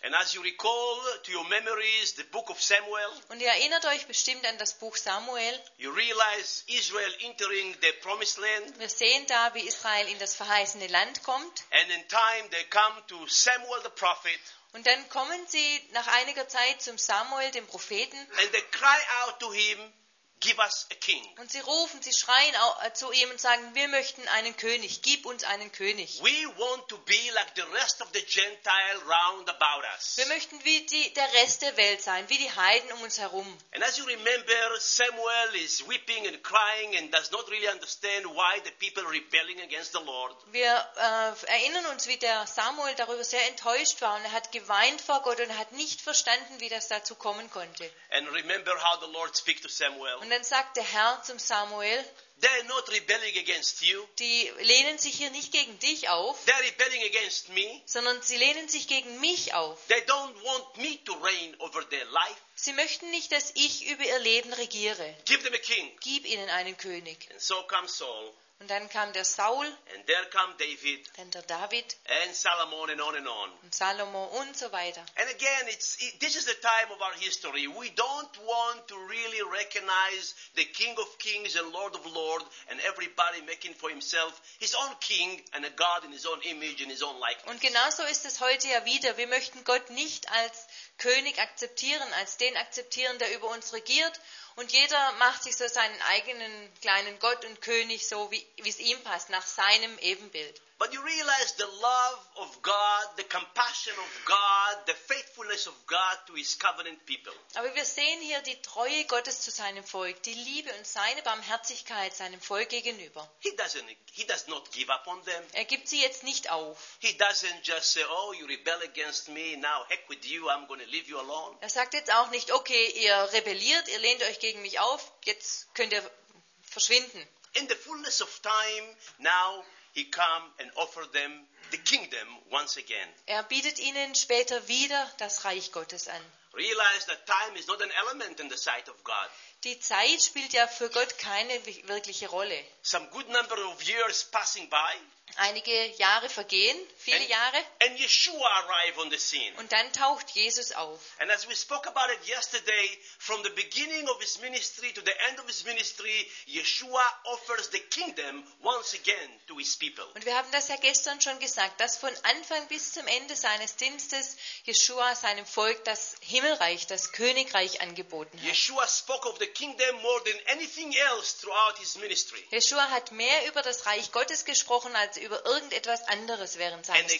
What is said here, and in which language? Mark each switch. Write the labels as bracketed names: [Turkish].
[English] And as you recall to your memories, the book of Samuel, [German] und ihr erinnert euch bestimmt an das Buch Samuel. [English] You realize Israel entering the promised land, [German] wir sehen da, wie Israel in das verheißene Land kommt. [English] And in time they come to Samuel the prophet, [German] und dann kommen sie nach einiger Zeit zum Samuel, dem Propheten. [English] And they cry out to him, give us a king. [German] Und sie rufen, sie schreien zu ihm und sagen, wir möchten einen König, gib uns einen König. [English] We want to be like the rest of the Gentile round about us. [German] Wir möchten wie der Rest der Welt sein, wie die Heiden um uns herum. [English] And as you remember, Samuel is weeping and crying and does not really understand why the people are rebelling against the Lord. [German] Wir erinnern uns, wie der Samuel darüber sehr enttäuscht war und er hat geweint vor Gott und hat nicht verstanden, wie das dazu kommen konnte. [English] And remember how the Lord speaks to Samuel. [German] Und dann sagt der Herr zum Samuel, [English] they're not rebelling against you. [German] Die lehnen sich hier nicht gegen dich auf, [English] they're rebelling against me. [German] Sondern sie lehnen sich gegen mich auf. [English] They don't want me to reign over their life. [German] Sie möchten nicht, dass ich über ihr Leben regiere. [English] Give them a king. [German] Gib ihnen einen König. [English] And so comes Saul. [German] Und dann kam der Saul, [English] and there come David, [German] dann der David, [English] and Solomon, and on and on. [German] Und Salomo und so weiter. [English] And again, this is the time of our history. We don't want to really recognize the King of Kings and Lord of Lords and everybody making for himself his own king and a god in his own image and his own likeness. [German] Und genauso ist es heute ja wieder. Wir möchten Gott nicht als König akzeptieren, als den akzeptieren, der über uns regiert. Und jeder macht sich so seinen eigenen kleinen Gott und König, so wie es ihm passt, nach seinem Ebenbild. [English] But you realize the love of God, the compassion of God, the faithfulness of God to his covenant people. [German] Aber wir sehen hier die Treue Gottes zu seinem Volk, die Liebe und seine Barmherzigkeit seinem Volk gegenüber. [English] He does not give up on them. [German] Er gibt sie jetzt nicht auf. [English] He doesn't just say, oh, you rebel against me, now heck with you, I'm going to leave you alone. [German] Er sagt jetzt auch nicht, okay, ihr rebelliert, ihr lehnt euch gegen mich auf, jetzt könnt ihr verschwinden. [English] In the fullness of time, now he came and offered them the kingdom once again. [German] Er bietet ihnen später wieder das Reich Gottes an. [English] Realize that time is not an element in the sight of God. [German] Die Zeit spielt ja für Gott keine wirkliche Rolle. [English] Some good number of years passing by. [German] Einige Jahre vergehen, viele Jahre. [English] And Yeshua arrived on the scene. [German] Und dann taucht Jesus auf. [English] And as we spoke about it yesterday, from the beginning of his ministry to the end of his ministry, Yeshua offers the kingdom once again to his people. [German] Und wir haben das ja gestern schon gesagt, dass von Anfang bis zum Ende seines Dienstes Yeshua seinem Volk das Himmelreich, das Königreich angeboten hat. [English] Yeshua spoke of the kingdom more than anything else throughout his ministry. [German] Yeshua hat mehr über das Reich Gottes gesprochen als über irgendetwas anderes während seines